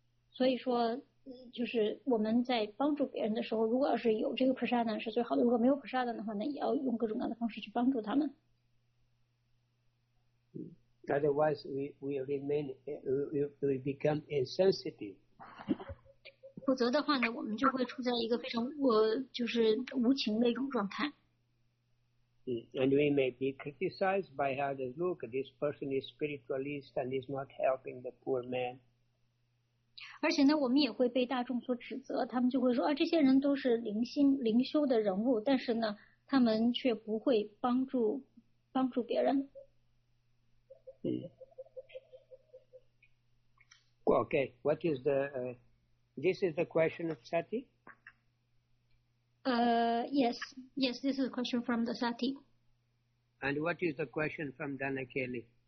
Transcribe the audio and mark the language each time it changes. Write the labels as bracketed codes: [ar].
[zh] 所以说就是我们在帮助别人的时候，如果要是有这个 prasadam 是最好的，如果没有 prasadam 的话呢，也要用各种各样的方式去帮助他们。 [en] Otherwise, we become insensitive. [zh] 否则的话呢，我们就会处在一个非常就是无情的一种状态。 [en] And we may be criticized by others. Look, this person is spiritualist and is not helping the poor man. [zh] 而且呢我们也会被大众所指责，他们就会说啊，这些人都是灵修的人物，但是呢他们却不会帮助别人。 [en] Okay, what is the, this is the question of Sati? Yes, this is a question from the Sati. And what is the question from Danakeli?